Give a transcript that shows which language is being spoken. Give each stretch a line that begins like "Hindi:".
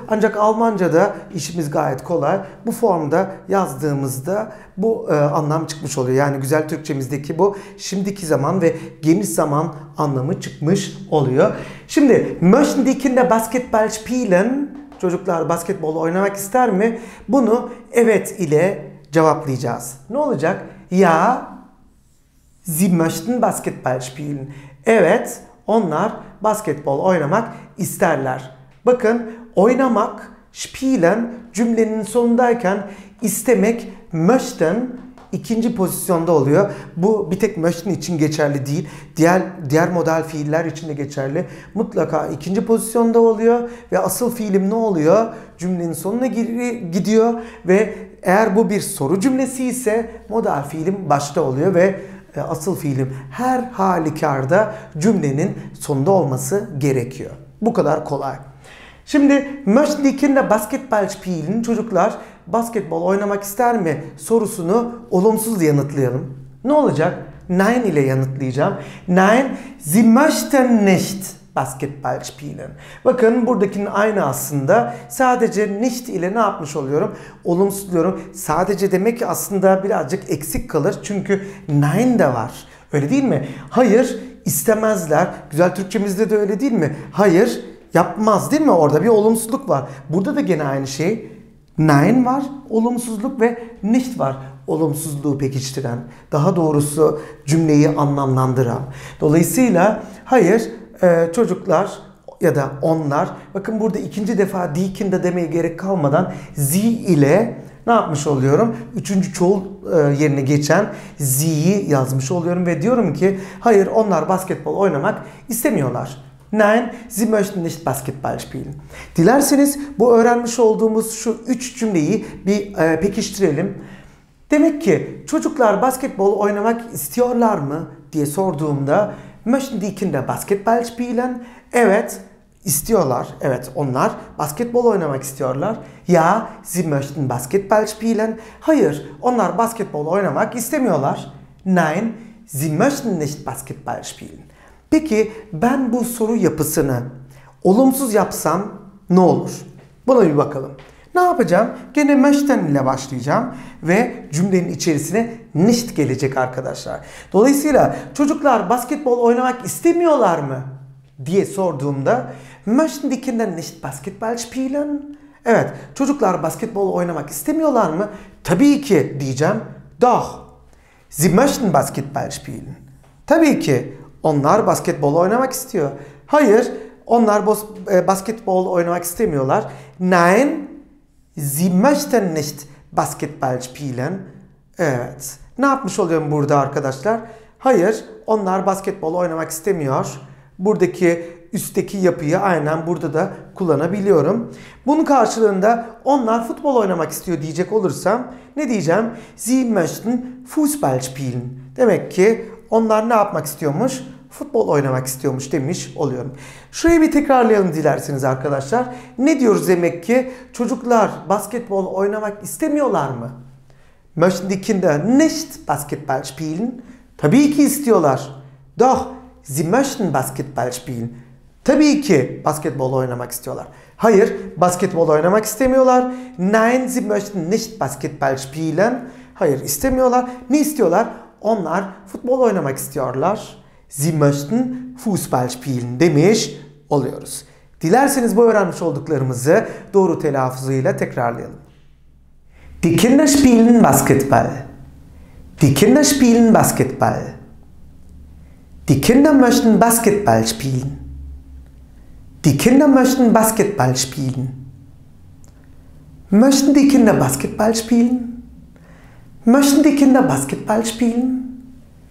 Turkish: Ancak Almanca'da işimiz gayet kolay. Bu formda yazdığımızda bu anlam çıkmış oluyor. Yani güzel Türkçemizdeki bu şimdiki zaman ve geniş zaman anlamı çıkmış oluyor. Şimdi
German: möchten die Kinder Basketball spielen?
Turkish: Çocuklar basketbol oynamak ister mi? Bunu evet ile cevaplayacağız. Ne olacak?
German: Ja, sie möchten Basketball spielen.
Turkish: Evet, onlar basketbol oynamak isterler. Bakın, oynamak, spielen cümlenin sonundayken istemek, möchten ikinci pozisyonda oluyor. Bu bir tek möchten için geçerli değil. Diğer modal fiiller için de geçerli. Mutlaka ikinci pozisyonda oluyor ve asıl fiilim ne oluyor? Cümlenin sonuna gidiyor ve eğer bu bir soru cümlesi ise modal fiilim başta oluyor ve asıl fiilim her halükarda cümlenin sonunda olması gerekiyor. Bu kadar kolay. Şimdi
German: möchten die Kinder Basketball spielen,
Turkish: çocuklar basketbol oynamak ister mi sorusunu olumsuz yanıtlayalım. Ne olacak? Nein ile yanıtlayacağım.
German: Nein, sie möchten nicht Basketball spielen.
Turkish: Bakın buradakinin aynı aslında. Sadece nicht ile ne yapmış oluyorum? Olumsuzluyorum. Sadece demek ki aslında birazcık eksik kalır. Çünkü nein de var. Öyle değil mi? Hayır, istemezler. Güzel Türkçemizde de öyle değil mi? Hayır, yapmaz değil mi? Orada bir olumsuzluk var. Burada da gene aynı şey. Nein var, olumsuzluk ve nicht var. Olumsuzluğu pekiştiren. Daha doğrusu cümleyi anlamlandıran. Dolayısıyla hayır, çocuklar ya da onlar, bakın burada ikinci defa
German: die Kinder
Turkish: demeye gerek kalmadan sie ile ne yapmış oluyorum? Üçüncü çoğul yerine geçen sie'yi yazmış oluyorum ve diyorum ki hayır, onlar basketbol oynamak istemiyorlar.
German: Nein, sie möchten nicht Basketball spielen.
Turkish: Dilerseniz bu öğrenmiş olduğumuz şu üç cümleyi bir pekiştirelim. Demek ki çocuklar basketbol oynamak istiyorlar mı diye sorduğumda
German: möchten die Kinder Basketball spielen?
Turkish: Evet, istiyorlar. Evet, onlar basketbol oynamak istiyorlar.
German: Ja, sie möchten Basketball spielen?
Turkish: Hayır, onlar basketbol oynamak istemiyorlar.
German: Nein, sie möchten nicht Basketball spielen.
Turkish: Peki, ben bu soru yapısını olumsuz yapsam ne olur? Buna bir bakalım. Ne yapacağım? Gene möchten ile başlayacağım ve cümlenin içerisine nicht gelecek arkadaşlar. Dolayısıyla çocuklar basketbol oynamak istemiyorlar mı diye sorduğumda
German: möchten die Kinder nicht Basketball spielen?
Turkish: Evet, çocuklar basketbol oynamak istemiyorlar mı? Tabii ki diyeceğim.
German: Doch, sie möchten Basketball spielen.
Turkish: Tabii ki onlar basketbol oynamak istiyor. Hayır, onlar basketbol oynamak istemiyorlar.
German: Nein, sie möchten nicht Basketball spielen.
Turkish: Evet. Ne yapmış oluyorum burada arkadaşlar? Hayır, onlar basketbol oynamak istemiyor. Buradaki üstteki yapıyı aynen burada da kullanabiliyorum. Bunun karşılığında onlar futbol oynamak istiyor diyecek olursam ne diyeceğim?
German: Sie möchten Fußball spielen.
Turkish: Demek ki onlar ne yapmak istiyormuş? Futbol oynamak istiyormuş demiş oluyorum. Şurayı bir tekrarlayalım dilerseniz arkadaşlar. Ne diyoruz demek ki? Çocuklar basketbol oynamak istemiyorlar mı?
German: Möchten die Kinder nicht Basketball spielen?
Turkish: Tabii ki istiyorlar.
German: Doch, sie möchten Basketball spielen.
Turkish: Tabii ki basketbol oynamak istiyorlar. Hayır, basketbol oynamak istemiyorlar.
German: Nein, sie möchten nicht Basketball spielen.
Turkish: Hayır, istemiyorlar. Ne istiyorlar? Onlar futbol oynamak istiyorlar.
German: Sie möchten Fußball spielen
Turkish: demiş oluyoruz. Dilerseniz bu öğrenmiş olduklarımızı doğru telaffuzuyla tekrarlayalım.
German: Die Kinder spielen Basketball. Die Kinder spielen Basketball. Die Kinder möchten Basketball spielen. Die Kinder möchten Basketball spielen. Möchten die Kinder Basketball spielen? Möchten die Kinder Basketball spielen?